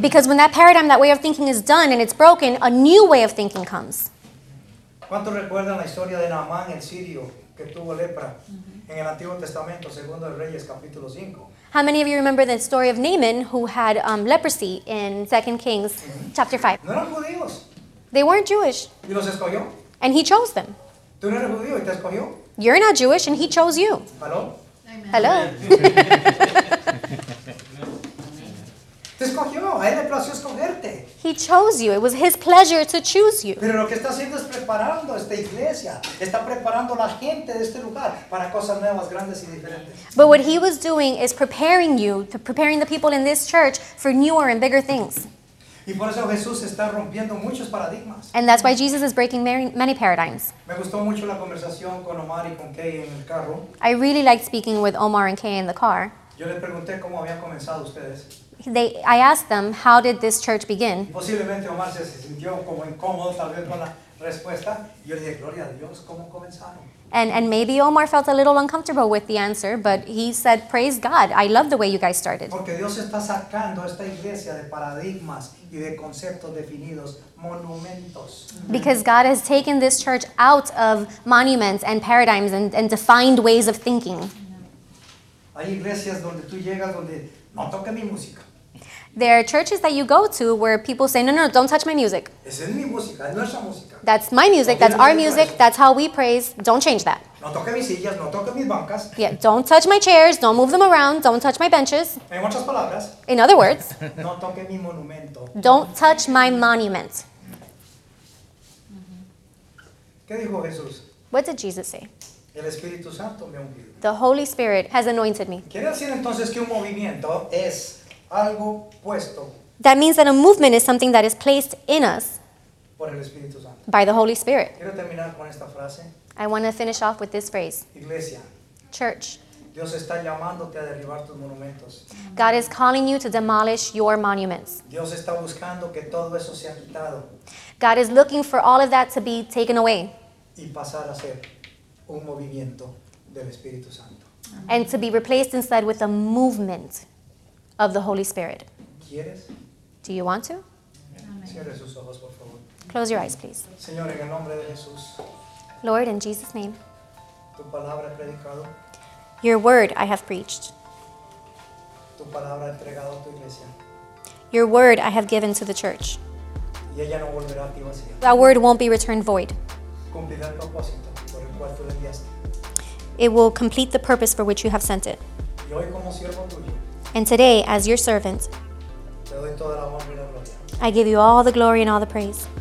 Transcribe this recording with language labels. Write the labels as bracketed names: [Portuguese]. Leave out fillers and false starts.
[English] Because when that paradigm, that way of thinking is done and it's broken, a new way of thinking comes. [Spanish] ¿Cuánto recuerdan la historia de Naamán, el sirio, que tuvo lepra? Mm-hmm. En el Antiguo Testamento, segundo de Reyes, capítulo 5. [English] How many of you remember the story of Naaman, who had leprosy in 2 Kings, mm-hmm. chapter 5? [Spanish] No eran judíos. [English] They weren't Jewish. [Spanish] ¿Y los escogió? [English] And he chose them. [Spanish] ¿Tú no eres judío y te escogió? [English] You're not Jewish and he chose you. Hello? Amen. Hello? [Spanish] Te escogió. A él le plació escogerte. [English] He chose you. It was his pleasure to choose you. [Spanish] Pero lo que está haciendo es preparando esta iglesia. Está preparando la gente de este lugar para cosas nuevas, grandes y diferentes. [English] But what he was doing is preparing you, preparing the people in this church for newer and bigger things. [Spanish] Y por eso Jesús está rompiendo muchos paradigmas. [English] And that's why Jesus is breaking many paradigms. [Spanish] Me gustó mucho la conversación con Omar y con Kay en el carro. [English] I really liked speaking with Omar and Kay in the car. [Spanish] Yo les pregunté cómo habían comenzado ustedes. [English] I asked them, how did this church begin? [Spanish] Posiblemente Omar se sintió como incómodo tal vez con la respuesta. Yo le dije, gloria a Dios, ¿cómo comenzaron? [English] And maybe Omar felt a little uncomfortable with the answer, but he said, praise God, I love the way you guys started. [Spanish] Porque Dios está sacando esta iglesia de paradigmas y de conceptos definidos, monumentos. [English] Because God has taken this church out of monuments and paradigms and defined ways of thinking. [Spanish] Hay iglesias donde tú llegas donde no toque mi música. [English] There are churches that you go to where people say, no, don't touch my music. [Spanish] Esa es mi música, es nuestra música. [English] That's my music, that's our music, that's how we praise. Don't change that. [Spanish] No toque mis sillas, no toque mis bancas. [English] Yeah, don't touch my chairs, don't move them around, don't touch my benches. [Spanish] En otras palabras. [English] In other words. [Spanish] No toque mi monumento. [English] Don't touch my monument. [Spanish] ¿Qué dijo Jesús? [English] What did Jesus say? [Spanish] El Espíritu Santo me ungió. [English] The Holy Spirit has anointed me. [Spanish] ¿Quiere decir entonces que un movimiento es... algo puesto [English] That means that a movement is something that is placed in us [Spanish] por el Espíritu Santo. [English] By the Holy Spirit. [Spanish] Quiero terminar con esta frase. [English] I want to finish off with this phrase. [Spanish] Iglesia. [English] Church. [Spanish] Dios está llamándote a derribar tus monumentos. [English] God is calling you to demolish your monuments. [Spanish] Dios está buscando que todo eso sea quitado. [English] God is looking for all of that to be taken away. [Spanish] Y pasar a ser un movimiento del Espíritu Santo. [English] And to be replaced instead with a movement of the Holy Spirit. [Spanish] ¿Quieres? [English] Do you want to? [Spanish] Cierre sus ojos, por favor. [English] Close your eyes, please. [Spanish] Señor, en el nombre de Jesús. [English] Lord, in Jesus' name. [Spanish] Tu palabra he predicado. [English] Your word I have preached. [Spanish] Tu palabra entregado a tu iglesia. [English] Your word I have given to the church. [Spanish] Y ella no volverá a ti vacía. [English] That word won't be returned void. [Spanish] Cumplirá el propósito por el cual tú le enviaste. [English] It will complete the purpose for which you have sent it. [Spanish] Y hoy como siervo tuyo, [English] and today, as your servant, [Spanish] te doy toda la honra y la gloria. [English] I give you all the glory and all the praise.